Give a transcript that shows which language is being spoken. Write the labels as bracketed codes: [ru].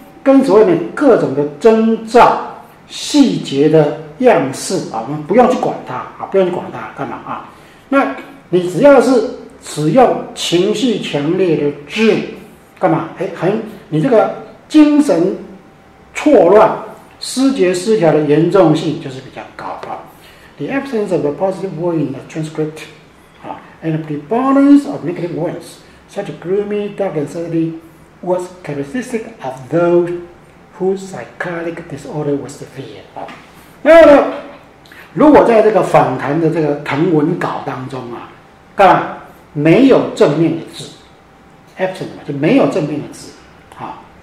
[zh] 跟所谓的各种的征兆、细节的样式啊，我们不用去管它啊，不用去管它干嘛啊？那你只要是使用情绪强烈的字，干嘛？哎，很，你这个精神错乱。失节失调的严重性就是比较高啊。 [en] The absence of a positive word in the transcript, and the preponderance of negative words, such gloomy, dark, and sadly, was characteristic of those whose psychiatric disorder was severe. [zh] 然后呢，如果在这个访谈的这个谈文稿当中啊，干嘛没有正面的字 ，absent 嘛，就没有正面的字啊。